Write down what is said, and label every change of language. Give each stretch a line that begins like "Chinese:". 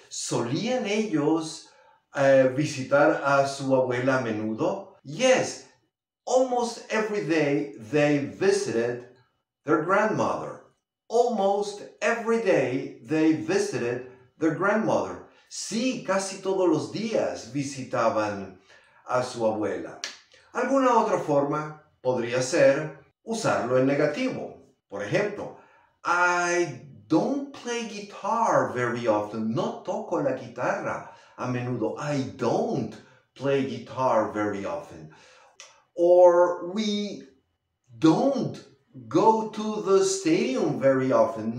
Spanish: ¿Solían ellos visitar a su abuela a menudo?
English: Yes, almost every day they visited their grandmother. Almost every day they visited their grandmother.
Spanish: Sí, casi todos los días visitaban a su abuela. Alguna otra forma podría ser usarlo en negativo. Por ejemplo,
English: I don't play guitar very often.
Spanish: No toco la guitarra a menudo.
English: I don't play guitar very often. Or we don't go to the stadium very often.